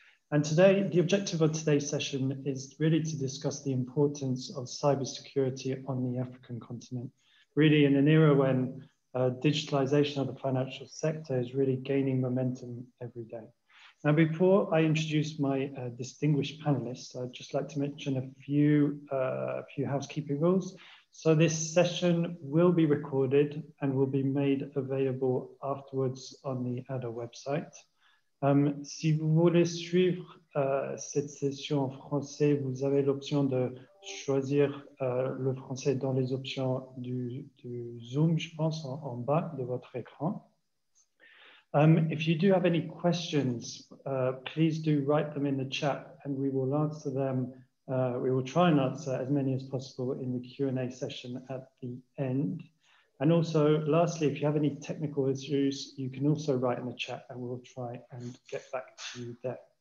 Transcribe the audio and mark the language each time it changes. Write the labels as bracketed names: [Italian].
[English] And today, the objective of today's session is really to discuss the importance of cybersecurity on the African continent, really in an era when digitalization of the financial sector is really gaining momentum every day. Now, before I introduce my distinguished panelists, I'd just like to mention a few housekeeping rules. So this session will be recorded and will be made available afterwards on the ADA website. [French] Si vous voulez suivre cette session en français, vous avez l'option de choisir le français dans les options du Zoom, je pense, en bas de votre écran. [English] If you do have any questions, please do write them in the chat and we will answer them. We will try and answer as many as possible in the Q&A session at the end. And also, lastly, if you have any technical issues, you can also write in the chat and we'll try and get back to you there.